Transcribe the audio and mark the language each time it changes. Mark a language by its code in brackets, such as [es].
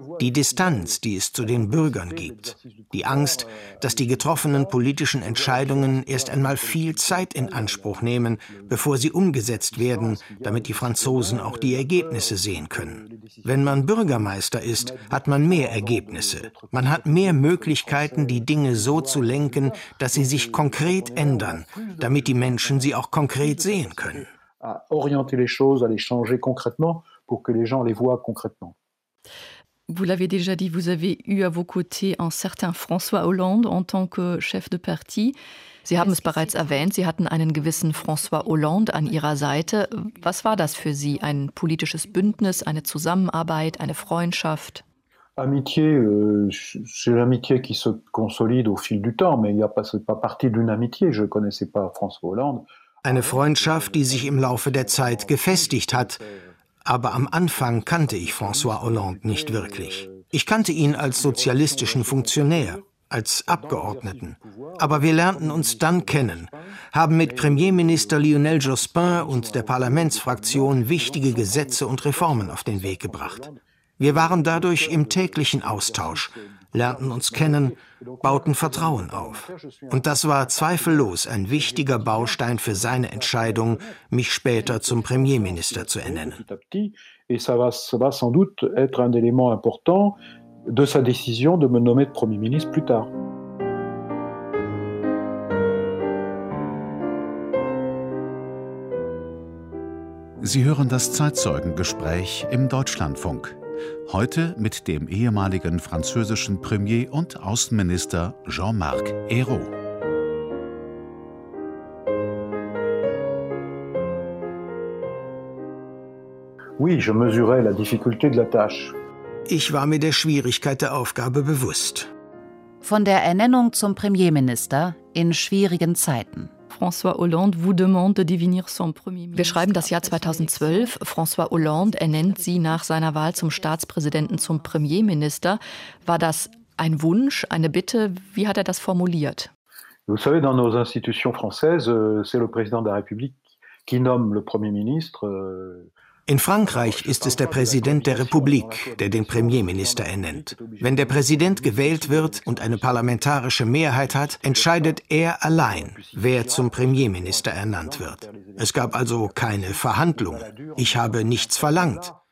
[de] Die Distanz, die es zu den Bürgern gibt. Die Angst, dass die getroffenen politischen Entscheidungen erst einmal viel Zeit in Anspruch nehmen, bevor sie umgesetzt werden, damit die Franzosen auch die Ergebnisse sehen können. Wenn man Bürgermeister ist, hat man mehr Ergebnisse. Man hat mehr Möglichkeiten, die Dinge so zu lenken, dass sie sich konkret ändern, damit die Menschen sie auch konkret sehen können. [fr] Orienter les choses, à les changer concrètement, pour que les gens les voient concrètement. Vous l'avez déjà dit, vous avez eu à vos côtés un certain François Hollande en tant que chef de parti. [de] Sie haben es bereits erwähnt, Sie hatten einen gewissen François Hollande an Ihrer Seite. Was war das für Sie? Ein politisches Bündnis, eine Zusammenarbeit, eine Freundschaft? [fr] Amitié, c'est l'amitié qui se consolide au fil du temps, mais il y a pas c'est pas partie d'une amitié, je connaissais pas François Hollande. [de] Eine Freundschaft, die sich im Laufe der Zeit gefestigt hat. Aber am Anfang kannte ich François Hollande nicht wirklich. Ich kannte ihn als sozialistischen Funktionär, als Abgeordneten. Aber wir lernten uns dann kennen, haben mit Premierminister Lionel Jospin und der Parlamentsfraktion wichtige Gesetze und Reformen auf den Weg gebracht. Wir waren dadurch im täglichen Austausch, lernten uns kennen, bauten Vertrauen auf. Und das war zweifellos ein wichtiger Baustein für seine Entscheidung, mich später zum Premierminister zu ernennen. [fr] Et ça va sans doute être un élément important de sa décision de me nommer Premier ministre plus tard. [de] Sie hören das Zeitzeugengespräch im Deutschlandfunk. Heute mit dem ehemaligen französischen Premier und Außenminister Jean-Marc Ayrault. [fr] Oui, je mesurais la difficulté de la tâche. [de] Ich war mir der Schwierigkeit der Aufgabe bewusst. Von der Ernennung zum Premierminister in schwierigen Zeiten. [fr] François Hollande vous demande de devenir son premier ministre. [de] Wir schreiben das Jahr 2012. François Hollande ernennt Sie nach seiner Wahl zum Staatspräsidenten zum Premierminister. War das ein Wunsch, eine Bitte? Wie hat er das formuliert? [fr] Vous savez, dans nos institutions françaises, c'est le président de la République qui nomme le premier ministre. [de] In Frankreich ist es der Präsident der Republik, der den Premierminister ernennt. Wenn der Präsident gewählt wird und eine parlamentarische Mehrheit hat, entscheidet er allein, wer zum Premierminister ernannt wird. Es gab also keine Verhandlungen. Ich habe nichts verlangt.